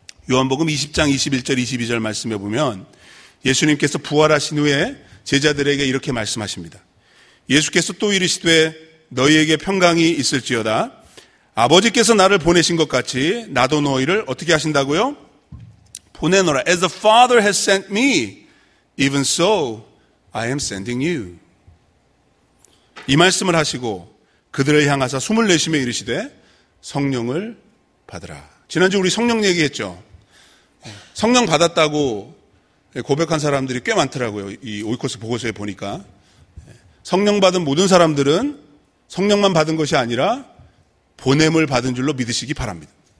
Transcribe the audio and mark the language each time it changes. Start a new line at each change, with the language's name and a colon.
Korean: 요한복음 20장 21절 22절 말씀해 보면 예수님께서 부활하신 후에 제자들에게 이렇게 말씀하십니다. 예수께서 또 이르시되 너희에게 평강이 있을지어다. 아버지께서 나를 보내신 것 같이 나도 너희를 어떻게 하신다고요? 보내노라.
English: As the Father has sent me, even so I am sending you.
Korean: 이 말씀을 하시고 그들을 향하사 숨을 내쉬며 이르시되 성령을 받으라. 지난주 우리 성령 얘기했죠. 성령 받았다고 고백한 사람들이 꽤 많더라고요. 이 오이코스 보고서에 보니까 성령 받은 모든 사람들은 성령만 받은 것이 아니라 보냄을 받은 줄로 믿으시기 바랍니다.